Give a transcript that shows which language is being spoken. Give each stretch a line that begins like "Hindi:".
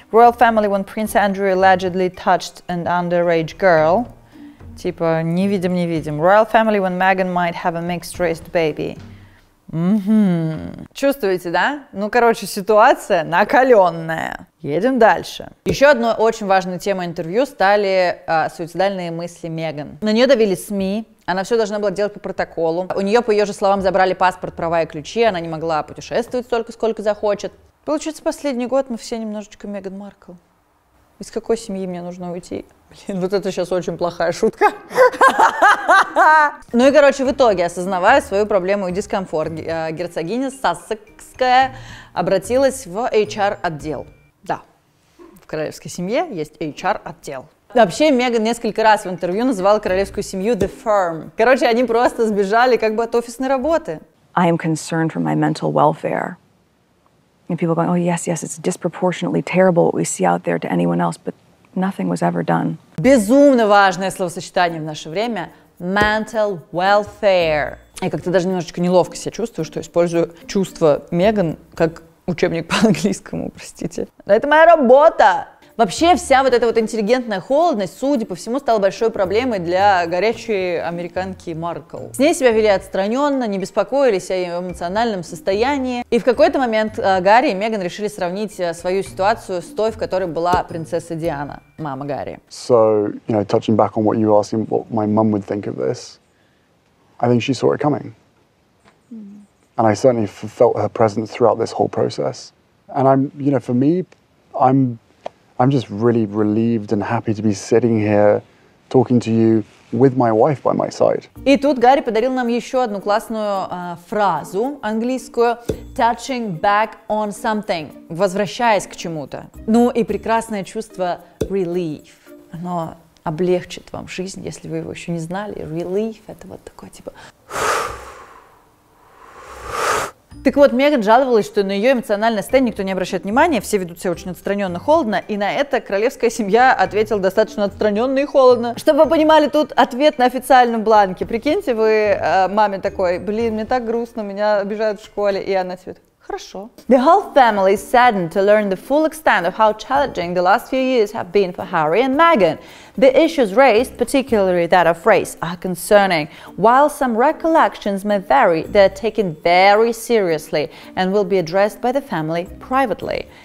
English: Royal family when Prince Andrew allegedly touched an underage girl.
Russian: Типа, не видим, не видим.
English: Royal family when Meghan might have a mixed race baby.
Russian: Чувствуете, да? Ну, короче, ситуация накаленная. Едем дальше. Еще одной очень важной темой интервью стали суицидальные мысли Меган. На нее давили СМИ. Она все должна была делать по протоколу. У нее, по ее же словам, забрали паспорт, права и ключи. Она не могла путешествовать столько, сколько захочет. Получается, последний год мы все немножечко Меган Маркл. Из какой семьи мне нужно уйти? Блин, вот это сейчас очень плохая шутка. Ну и, короче, в итоге, осознавая свою проблему и дискомфорт, герцогиня Сассекская обратилась в HR-отдел. Да, в королевской семье есть HR-отдел. Вообще, Меган несколько раз в интервью называла королевскую семью The Firm. Короче, они просто сбежали как бы от офисной работы.
English: I am concerned for my mental welfare. And people going, oh, yes, yes, it's disproportionately terrible what we see out there to anyone else, but nothing was ever done.
Russian: Безумно важное словосочетание в наше время – mental welfare. Я как-то даже немножечко неловко себя чувствую, что использую чувство Меган как учебник по английскому, простите. Это моя работа! Вообще вся вот эта вот интеллигентная холодность, судя по всему, стала большой проблемой для горячей американки Маркл. С ней себя вели отстраненно, не беспокоились о ее эмоциональном состоянии. И в какой-то момент Гарри и Меган решили сравнить свою ситуацию с той, в которой была принцесса Диана, мама Гарри.
English: So, you know, touching back on what you asked him, what my mum would think of this, I think she saw it coming. And I certainly felt her presence throughout this whole process. And I'm, you know, for me, I'm just really relieved and happy to be sitting here talking to you with my wife by my side.
Russian: И тут Гарри подарил нам еще одну классную фразу английскую,
English: touching back on something,
Russian: возвращаясь к чему-то. Ну и прекрасное чувство relief. Оно облегчит вам жизнь, если вы его еще не знали. Relief — это вот такое типа... Так вот, Меган жаловалась, что на ее эмоциональный стенд никто не обращает внимания, все ведут себя очень отстраненно, холодно, и на это королевская семья ответила достаточно отстраненно и холодно. Чтобы вы понимали, тут ответ на официальном бланке. Прикиньте, вы маме такой, блин, мне так грустно, меня обижают в школе, и она тебе, хорошо.
English: The whole family is saddened to learn the full extent of how challenging the last few years have been for Harry and Meghan. The issues raised, particularly that of race, are concerning. While some recollections may vary, they are taken very seriously and will be addressed by the family privately.